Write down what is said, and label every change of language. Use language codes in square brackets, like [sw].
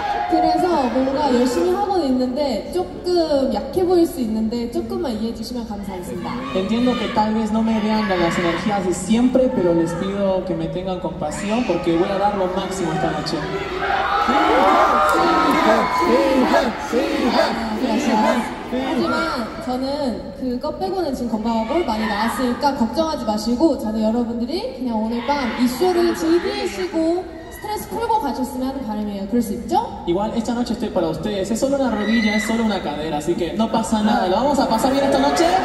[ko] 그래서 뭔가 열심히 하고는 있는데 조금 약해 보일 수 있는데 조금만 이해해 주시면 감사하겠습니다. [es] Entiendo que tal vez no me vean las energías de siempre, pero les pido que me tengan compasión porque voy a dar lo máximo esta noche. Gracias. [ko] 저는 그거 빼고는 지금 건강하고 많이 나았으니까 걱정하지 마시고 저는 여러분들이 그냥 오늘 밤 이 쇼를 즐기시고 [es] Igual esta noche estoy para ustedes. Es solo una rodilla, es solo una cadera, así que no pasa nada. Lo vamos a pasar bien esta noche.